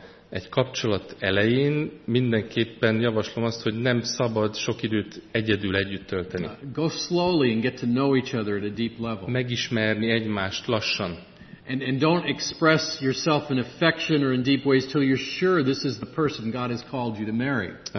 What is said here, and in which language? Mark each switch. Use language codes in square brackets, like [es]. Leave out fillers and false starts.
[hu] Egy kapcsolat elején mindenképpen javaslom azt, hogy nem szabad sok időt egyedül együtt tölteni. [en] Go slowly and get to know each other at a deep level. [hu] Megismerni egymást lassan. [en] And don't express yourself in affection or in deep ways till you're sure this is the person God has called you to marry.